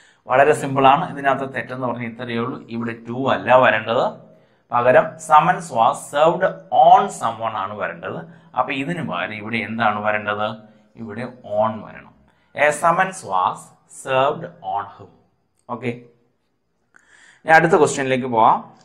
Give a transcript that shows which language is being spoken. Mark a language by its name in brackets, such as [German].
[Malayalam] വളരെ സിമ്പിളാണ്, ഇതിനകത്ത് തെറ്റെന്ന് പറഞ്ഞാൽ ഇത്രയേ ഉള്ളൂ. ഇവിടെ ടു അല്ല വരേണ്ടത്, പകരം [English] summons was served on someone [Malayalam] ആണ് വരേണ്ടത്. അപ്പൊ ഇതിന് പകരം ഇവിടെ എന്താണ് വരേണ്ടത്? ഇവിടെ ഓൺ വരണം. [English] A summons was served on whom. [Malayalam] Okay, ഞാൻ അടുത്ത ക്വസ്റ്റ്യനിലേക്ക് പോവാം.